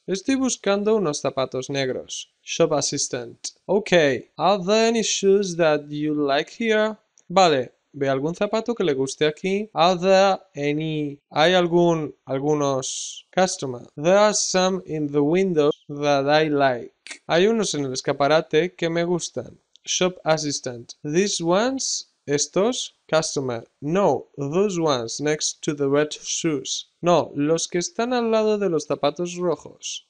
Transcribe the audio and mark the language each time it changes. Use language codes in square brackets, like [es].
[es] Estoy buscando unos zapatos negros. [en] Shop assistant. Okay. Are there any shoes that you like here? [es] Vale. ¿Ve algún zapato que le guste aquí? [en] Are there any... [es] ¿Hay algún... algunos... [en] Customer. There are some in the window that I like. [es] Hay unos en el escaparate que me gustan. [en] Shop assistant. These ones? [es] ¿Estos? [en] Customer. No, those ones next to the red shoes. [es] No, los que están al lado de los zapatos rojos.